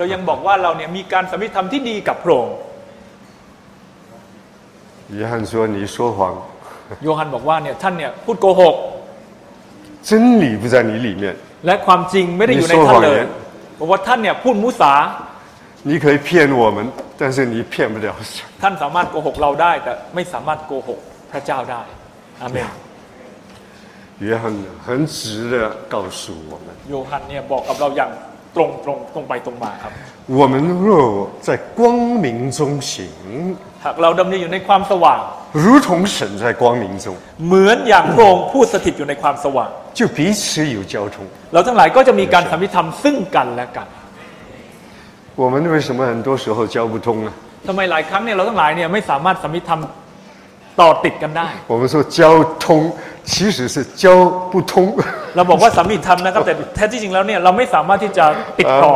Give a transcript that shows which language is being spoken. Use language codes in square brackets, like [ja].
[th] รายังบอกว่าเราเนี่ยมีการสัมพันธ์ธรรมที่ดีกับพระองค์ [zh] 约翰说你说谎 [th] โยฮันบอกว่าเนี่ยท่านเนี่ยพูดโกหก [zh] 真理不在你里面 [th] และความจริงไม่ได้อยู่ในท่านเลยบอกว่าท่านเนี่ยพูดมุสา [zh] 你可以骗我们但是你骗不了 [th] ท่านสามารถโกหกเราได้แต่ไม่สามารถโกหกพระเจ้าได้อาเมน [zh] 约翰很直的告诉我们 [th] โยฮันเนี่ยบอกกับเราอย่างตรงไปตรงมาครับ [zh] 我们若在光明中行 [th] หากเราดำเนินอยู่ในความสว่าง [zh] 如同神在光明中 [th] เหมือนอย่างพระองค์ผู้สถิตอยู่ในความสว่าง [zh] 就彼此有交通 [th] เราทั้งหลายก็จะมีการสัมพันธ์ธรรมซึ่งกันและกัน [zh] 我们为什么很多时候交不通呢 [th] ทำไมหลายครั้งเนี่ยเราทั้งหลายเนี่ยไม่สามารถสัมพันธ์ธรรมต่อติดกันได้ [zh] 我们说交通其实是交不通 [th] เราบอกว่าสัมพันธ์ธรรมนะครับแต่แท้ที่จริงแล้วเนี่ยเราไม่สามารถที่จะติดต่อ